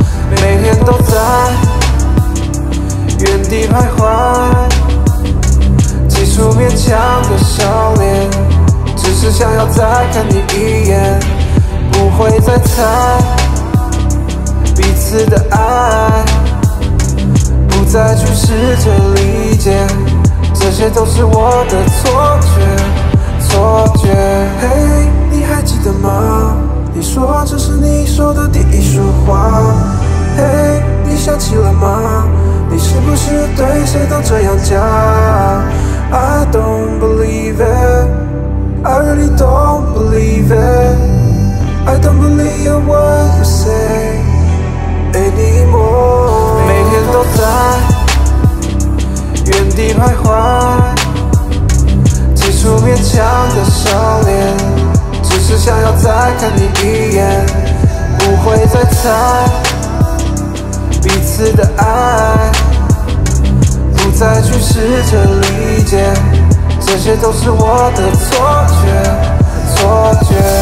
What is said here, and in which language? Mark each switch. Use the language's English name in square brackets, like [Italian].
[Chinese] 每天都在原地徘徊，挤出勉强的笑脸，只是想要再看你一眼，不会再猜彼此的爱，不再去试着理解，这些都是我的错觉，错觉。嘿，你还记得吗？你说这是你说的第一束花。嘿，你想起了吗？你是不是对谁都这样讲？ [English] I don't believe it， I really don't believe it， I don't believe what you say anymore。 [Chinese] 每天都在原地徘徊，挤出勉强的笑脸，只是想要再看你一眼，不会再猜彼此的爱，不再去试着理解，这些都是我的错觉，错觉。